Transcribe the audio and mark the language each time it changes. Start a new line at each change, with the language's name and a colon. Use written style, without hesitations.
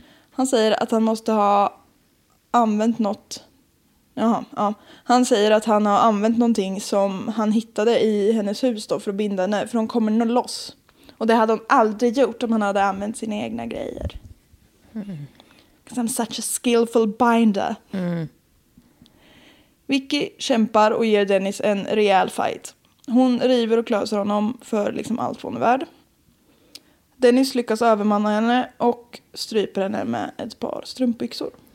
Swedish: Han säger att han måste ha använt något. Jaha, ja. Han säger att han har använt någonting som han hittade i hennes hus då för att binda henne. För hon kommer nog loss. Och det hade hon aldrig gjort om han hade använt sina egna grejer.
English: Because I'm such a skillful binder. Mm.
Swedish: Vicky kämpar och ger Dennis en rejäl fight. Hon river och klöser honom för liksom allt hon är värd. Dennis lyckas övermanna henne och stryper henne med ett par strumpbyxor.